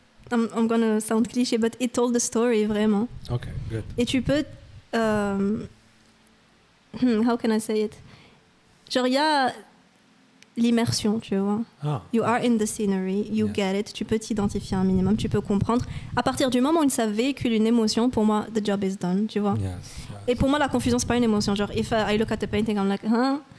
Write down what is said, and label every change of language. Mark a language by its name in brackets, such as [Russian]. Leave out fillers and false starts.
[English] I'm gonna sound cliché, but it told the story, [French] vraiment. [English] Okay, good. [French] Et tu peux... [English] how can I say it? [French] Genre, il y a l'immersion, tu vois. Ah, [English] you are in the scenery, you get it. [French] Tu peux t'identifier un minimum, tu peux comprendre. À partir du moment où ça véhicule une émotion, pour moi, [English] the job is done, [French] tu vois. [English] Yes. [French] Et pour moi, la confusion, c'est pas une émotion. [English] Genre, if I look at the painting, I'm like, huh?